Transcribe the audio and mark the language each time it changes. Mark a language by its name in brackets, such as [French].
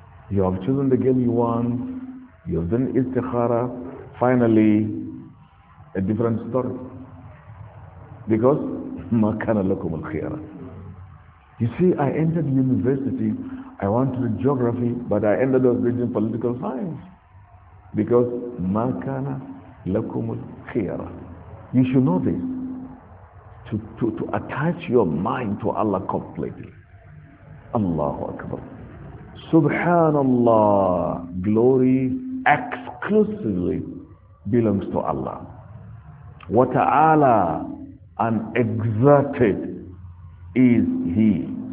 [English] You have chosen the girl you want, you have done istikhara, finally, a different story. Because [Arabic] ma kana lahum al-khira. [English] You see, I entered university, I wanted geography, but I ended up reading political science. Because [Arabic] مَا كَانَ لَكُمُ الْخِيَرَةِ. [English] You should know this. To attach your mind to Allah completely. Allahu Akbar. Subhanallah. Glory exclusively belongs to Allah. [Arabic] وَتَعَالَى [English] and exalted is He.